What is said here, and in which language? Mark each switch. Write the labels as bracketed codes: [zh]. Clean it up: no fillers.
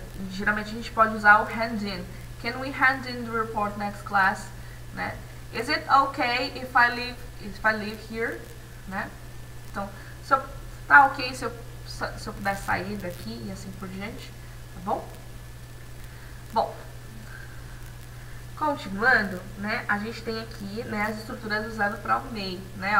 [pt] Geralmente a gente pode usar o hand in. [en] Can we hand in the report next class? Né? Is it okay if I leave here? Né? [pt] Então, se eu, tá ok se eu puder sair daqui e assim por diante, tá bom? Bom, continuando, né? A gente tem aqui, né, as estruturas usadas para o may, né?